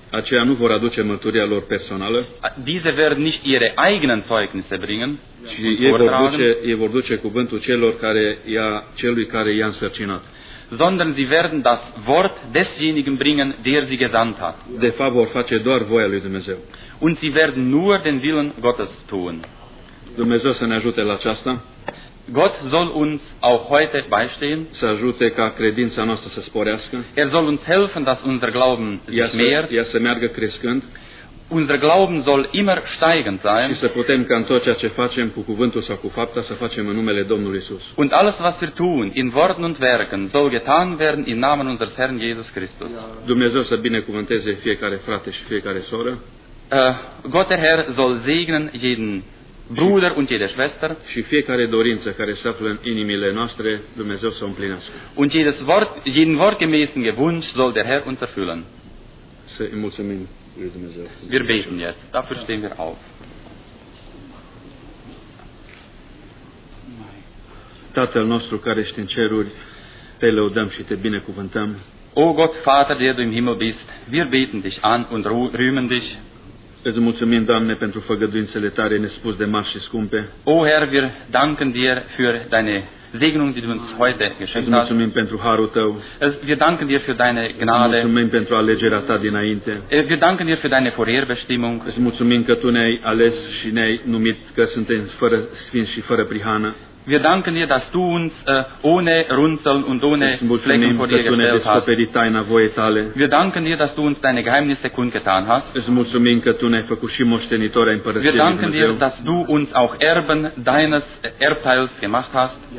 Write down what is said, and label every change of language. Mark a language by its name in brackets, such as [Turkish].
[Romanian] Aceia nu vor aduce mărturia lor personală. [German] Diese werden nicht ihre eigenen Zeugnisse bringen. [Romanian] Ci ei vor duce cuvântul celui care i-a însărcinat. [German] Sondern sie werden das Wort desjenigen bringen, der sie gesandt hat. [Romanian] De fapt vor face doar voia lui Dumnezeu. [German] Und sie werden nur den Willen Gottes tun. [Romanian] Dumnezeu să ne ajute la aceasta. [German] Gott soll uns auch heute beistehen. [Romanian] Să ajute ca credința noastră să sporească. [German] Er soll uns helfen, dass unser Glauben sich mehrt. [Romanian] Ia să meargă crescând. [German] Unser Glauben soll immer steigend sein. [Romanian] Și să putem ca în tot ceea ce facem, cu cuvântul sau cu fapta, să facem în numele Domnului Iisus. [German] Und alles, was wir tun, in Worten und Werken, soll getan werden im Namen unseres Herrn Jesus Christus. [Romanian] Dumnezeu să binecuvânteze fiecare frate și fiecare soră. [German] Gott der Herr soll segnen jeden Bruder und jede Schwester. [Romanian] Și fiecare dorință care se află în inimile noastre, Dumnezeu să o împlinească. [German] Und jeden wortgemäßen Wunsch soll der Herr uns erfüllen. [Romanian] să îi mulțumim lui Dumnezeu. [German] Wir beten jetzt. Dafür stehen wir auf. [Romanian] Tatăl nostru care ești în ceruri, te lăudăm și te binecuvântăm. [German] O Gott, Vater, der du im Himmel bist, wir beten dich an und rühmen dich. [Romanian] Îți mulțumim, Doamne, pentru făgăduințele tare nespus de mari și scumpe. [German] O Herr, wir danken dir für deine Segnung, die du uns heute geschenkt hast. [Romanian] Îți mulțumim pentru harul tău. [German] Wir danken dir für deine Gnade. [Romanian] Îți mulțumim pentru alegerea ta dinainte. [German] Wir danken dir für deine Vorherbestimmung. [Romanian] Îți mulțumim că tu ne-ai ales și ne-ai numit că suntem fără sfinți și fără prihană. [German] Wir danken dir, dass du uns ohne Runzeln und ohne Flecken vor dir gestellt hast. Wir danken dir, dass du uns deine Geheimnisse kundgetan hast. Wir danken dir, dass du uns auch Erben deines Erbteils gemacht hast.